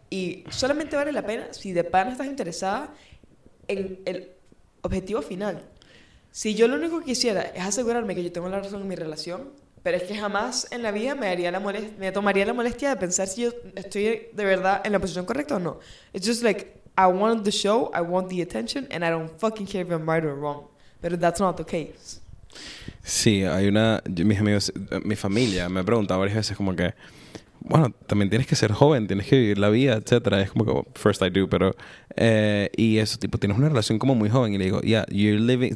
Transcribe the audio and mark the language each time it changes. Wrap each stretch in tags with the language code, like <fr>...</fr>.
<es>Y solamente vale la pena si de pana estás interesada en el objetivo final. Si yo lo único que quisiera es asegurarme que yo tengo la razón en mi relación... Pero es que jamás en la vida me tomaría la molestia de pensar si yo estoy de verdad en la posición correcta o no.</es> <en>It's just like, I want the show, I want the attention, and I don't fucking care if I'm right or wrong. But that's not the case.</en> <es>Sí, hay una... Mis amigos, mi familia me ha preguntado varias veces como que... Bueno, también tienes que ser joven, tienes que vivir la vida, etc. Es como que,</es> <en>well, first I do,</en> <es>pero... y eso, tipo, tienes una relación como muy joven. Y le digo,</es> <en>yeah, you're living...</en>